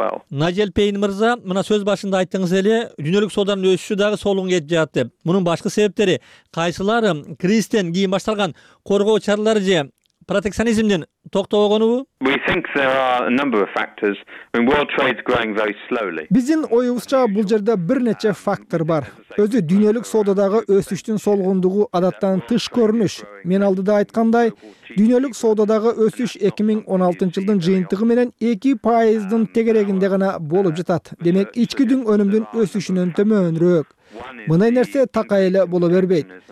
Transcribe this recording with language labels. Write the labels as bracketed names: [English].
[Kyrgyz] Найжел Пейн мырза, мына сөз башында айттыңыз эле, дүйнөлүк сооданын өсүшү дагы солугун кетип жатат деп. Мунун башкы себептери кайсылары? Кризистен кийин башталган коргоо чаралары же протекционизмдин токтогонубу? [English] We think there are a number of factors. World trade is growing very slowly. [Kyrgyz] Биздин оюбузча бул жерде бир нече фактор бар. Өзү дүйнөлүк соодадагы өсүштүн солгундугу адаттан тыш көрүнүш. Мен алдыда айткандай, дүйнөлүк соодадагы өсүш 2016 жылдын жыйынтыгы менен 2%дын тегерегинде гана болуп жатат. Демек, ички өнүмдүн өсүшүнөн төмөнүрөөк. Мындай нерсе такай эле боло бербейт.